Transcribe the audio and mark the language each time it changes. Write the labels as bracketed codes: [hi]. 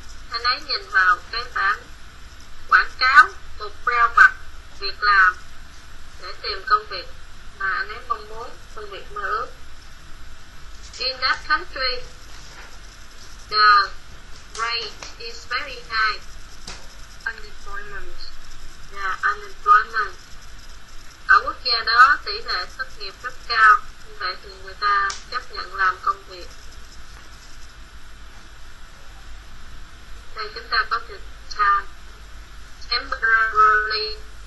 [vi] Anh ấy nhìn vào cái bảng quảng cáo một rao vặt việc làm để tìm công việc mà anh ấy mong muốn, công việc mơ ước. [en] In that country, the rate is very high. Unemployment. Yeah, unemployment. [vi] Ở quốc gia đó tỷ lệ thất nghiệp rất cao, như vậy thì người ta chấp nhận làm công việc. Thì chúng ta có từ time. Temporarily.